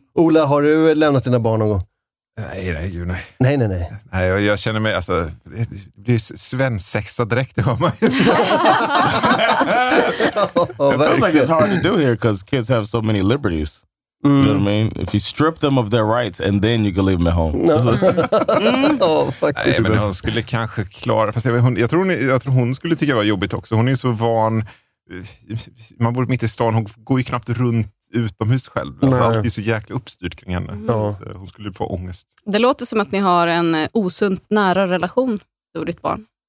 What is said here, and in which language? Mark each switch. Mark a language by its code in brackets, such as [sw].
[sv] Ola, har du lämnat dina barn någon gång? Nej, jag känner mig, alltså, det är ju svensexa direkt, det har man ju. [en] It feels like it's hard to do here because kids have so many liberties. Mm. You know what I mean? If you strip them of their rights and then you can leave them at home. [sv] Faktiskt. Nej, men hon skulle kanske klara, fast jag tror hon skulle tycka det var jobbigt också. Hon är ju så van, man bor mitt i stan, hon går ju knappt runt utomhus själv. Alltså allt är så jäkla uppstyrt kring henne. Mm. Så hon skulle få ångest. Det låter som att ni har en osunt nära relation till ditt barn.